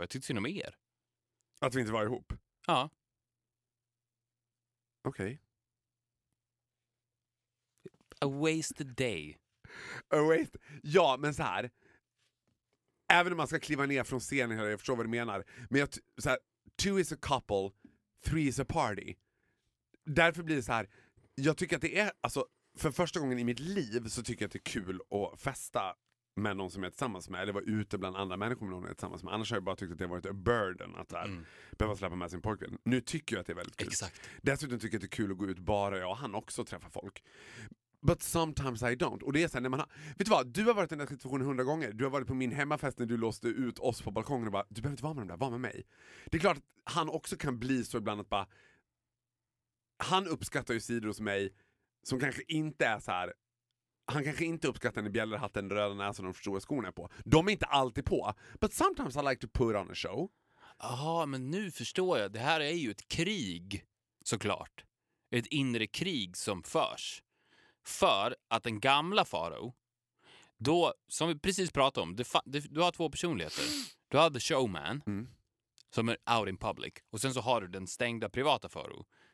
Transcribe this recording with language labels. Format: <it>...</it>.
<sv>Jag tyckte synd om er. Att vi inte var ihop? Ja. Okej.</sv> <en>Okay. A wasted day. Oh wait.</en> <sv>Ja, men så här. Även om man ska kliva ner från scenen här, jag förstår vad du menar. Men så här,</sv> <en>two is a couple, three is a party.</en> <sv>Därför blir det så här. Jag tycker att det är, alltså, för första gången i mitt liv så tycker jag att det är kul att festa med någon som är tillsammans med, eller vara ute bland andra människor med någon som är tillsammans med. Annars har jag bara tyckt att det har varit</sv> <en>a burden</en> <sv>att här, behöva släppa med sin pojkvän. Nu tycker jag att det är väldigt kul. Exakt. Dessutom tycker jag att det är kul att gå ut bara jag och han också och träffa folk.</sv> <en>But sometimes I don't.</en> <sv>Och det är så här, när man har, vet du vad, du har varit i den här situationen 100 gånger. Du har varit på min hemmafest när du låste ut oss på balkongen och bara, du behöver inte vara med dem där, var med mig. Det är klart att han också kan bli så ibland att bara, han uppskattar ju sidor hos mig som kanske inte är så här. Han kanske inte uppskattar när bjällor hatten, röda näsan och de stora skorna är på. De är inte alltid på.</sv> <en>But sometimes I like to put on a show.</en> <sv>Jaha, men nu förstår jag. Det här är ju ett krig, såklart. Ett inre krig som förs. För att den gamla farao, då, som vi precis pratade om, du har två personligheter. Du har the showman, som är</sv> <en>out in public.</en> <sv>Och sen så har du den stängda privata farao.</sv>